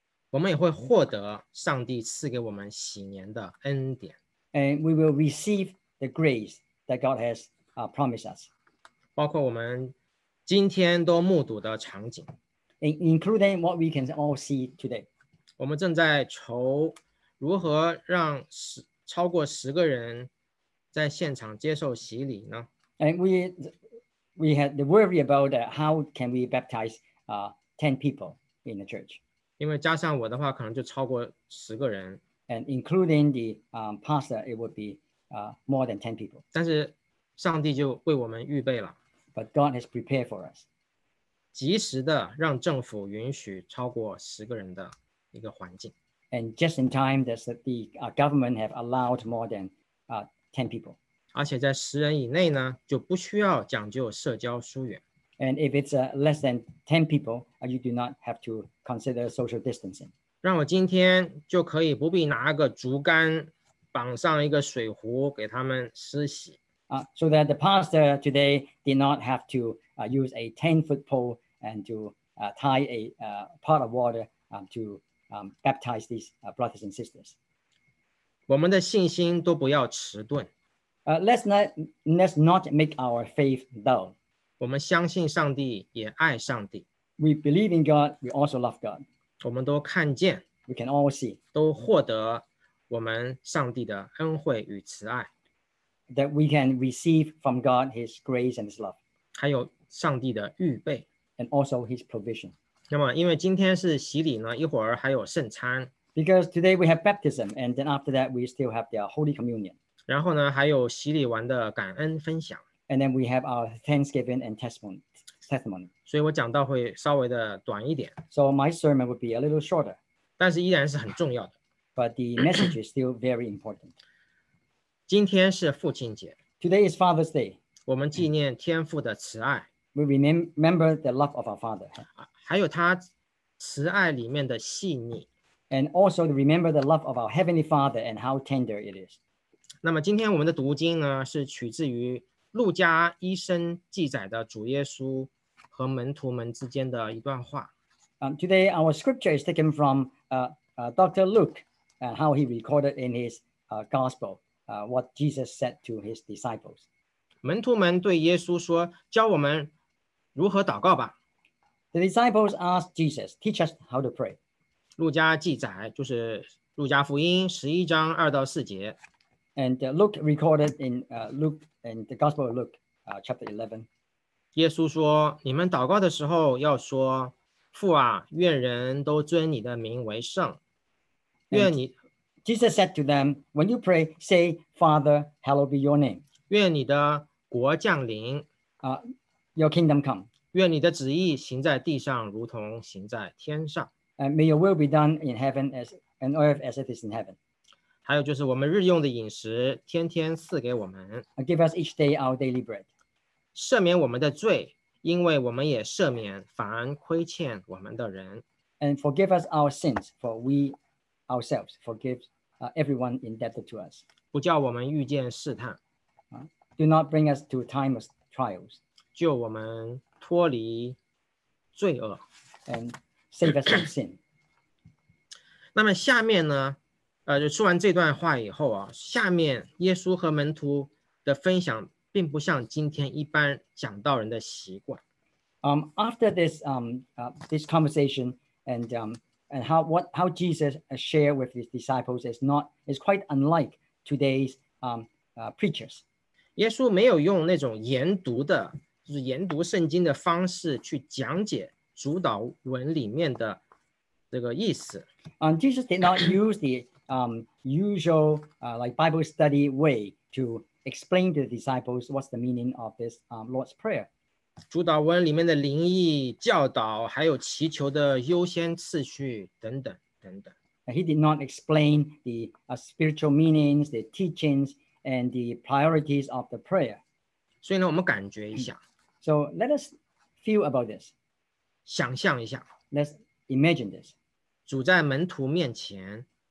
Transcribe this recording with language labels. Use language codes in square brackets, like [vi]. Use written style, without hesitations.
[zh] 我们也会获得上帝赐给我们喜年的恩典 [en] And we will receive the grace that God has promised us. [zh] 包括我们今天都目睹的场景 [en] Including what we can all see today. [zh] 我们正在愁如何让超过十个人在现场接受洗礼呢 [en] And we had the worry about how can we baptize 10 people in the church. [zh] 因为加上我的话，可能就超过十个人。 [en] And including the pastor, it would be more than 10 people. [zh] 但是上帝就为我们预备了。 [en] But God has prepared for us. [zh] 及时的让政府允许超过十个人的一个环境。 [en] And just in time, the government have allowed more than 10 people. [zh] 而且在十人以内呢，就不需要讲究社交疏远。 [en] And if it's less than 10 people, you do not have to consider social distancing. [zh] 让我今天就可以不必拿个竹竿绑上一个水壶给他们施洗。 [en] So that the pastor today did not have to use a 10-foot pole and to tie a pot of water to baptize these brothers and sisters. [zh] 我们的信心都不要迟钝。 [en] Let's not make our faith dull. [zh] 我们相信上帝，也爱上帝。 [en] We believe in God. We also love God. [zh] 我们都看见。 [en] We can all see. [zh] 都获得我们上帝的恩惠与慈爱。 [en] That we can receive from God His grace and His love. [zh] 还有上帝的预备。 [en] And also His provision. [zh] 那么，因为今天是洗礼呢，一会儿还有圣餐。 [en] Because today we have baptism, and then after that we still have the Holy Communion. [zh] 然后呢，还有洗礼完的感恩分享。 [en] And then we have our Thanksgiving and testimony. [zh] 所以我讲到会稍微的短一点。 [en] So my sermon would be a little shorter. [zh] 但是依然是很重要的。 [en] But the message is still very important. [zh] 今天是父亲节。 [en] Today is Father's Day. [zh] 我们纪念天父的慈爱。 [en] We remember the love of our Father. [zh] 还有他慈爱里面的细腻。 [en] And also remember the love of our Heavenly Father and how tender it is. [zh] 那么今天我们的读经呢，是取自于路加医生记载的主耶稣和门徒们之间的一段话。 [en] Today our scripture is taken from Dr. Luke and how he recorded in his gospel what Jesus said to his disciples. [zh] 门徒们对耶稣说：“教我们如何祷告吧。 [en] ”The disciples asked Jesus, "Teach us how to pray." [zh] 路加记载就是路加福音11:2-4。 [en] And Luke recorded in Luke and the Gospel of Luke, chapter 11. [zh] 耶稣说，你们祷告的时候要说，父啊，愿人都尊你的名为圣。愿你 [en] Jesus said to them, when you pray, say, Father, hallowed be your name. [zh] 愿你的国降临。 [en] Your kingdom come. [zh] 愿你的旨意行在地上，如同行在天上。 [en] And may your will be done in heaven as on earth as it is in heaven. [zh] 还有就是我们日用的饮食天天赐给我们 [en] Give us each day our daily bread [zh] 赦免我们的罪因为我们也赦免凡亏欠我们的人 [en] and forgive us our sins, for we ourselves forgive everyone indebted to us. [zh] 不叫我们遇见试探。 [en] Do not bring us to time of trials. [zh] 救我们脱离罪恶。 [en] And save us from sin. [zh] 那么下面呢，就说完这段话以后啊，下面耶稣和门徒的分享并不像今天一般讲道人的习惯。 [en] After this this conversation and how Jesus shared with his disciples is quite unlike today's preachers. [zh] 耶稣没有用那种研读的，就是研读圣经的方式去讲解主导文里面的这个意思。 [en] Jesus did not use the usual like Bible study way to explain to the disciples what's the meaning of this Lord's Prayer. [zh] 主导文里面的灵意教导还有祈求的优先次序等等等等。 [en] He did not explain the spiritual meanings, the teachings, and the priorities of the prayer. [zh] 所以呢，我们感觉一下。 [en] So let us feel about this. [zh] 想象一下。 [en] Let's imagine this. [zh] 主在门徒面前。